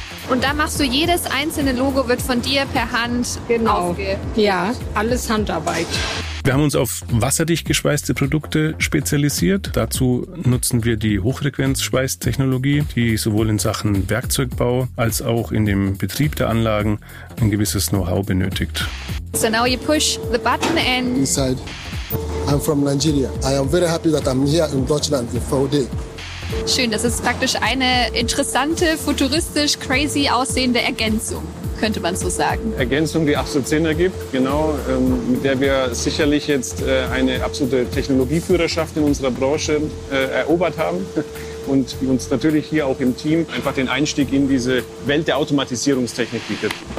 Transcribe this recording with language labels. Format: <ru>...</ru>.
<de>Und da machst du jedes einzelne Logo, wird von dir per Hand aufgehängt. Ja, alles Handarbeit. Wir haben uns auf wasserdicht geschweißte Produkte spezialisiert. Dazu nutzen wir die Hochfrequenzschweißtechnologie, die sowohl in Sachen Werkzeugbau als auch in dem Betrieb der Anlagen ein gewisses Know-how benötigt.</de> <en>So now you push the button and inside. I'm from Nigeria. I am very happy that I'm here in Deutschland with VOD.</en> <de>Schön, das ist praktisch eine interessante, futuristisch crazy aussehende Ergänzung, könnte man so sagen. Ergänzung, die absolut Sinn ergibt, genau, mit der wir sicherlich jetzt eine absolute Technologieführerschaft in unserer Branche erobert haben und die uns natürlich hier auch im Team einfach den Einstieg in diese Welt der Automatisierungstechnik bietet.</de>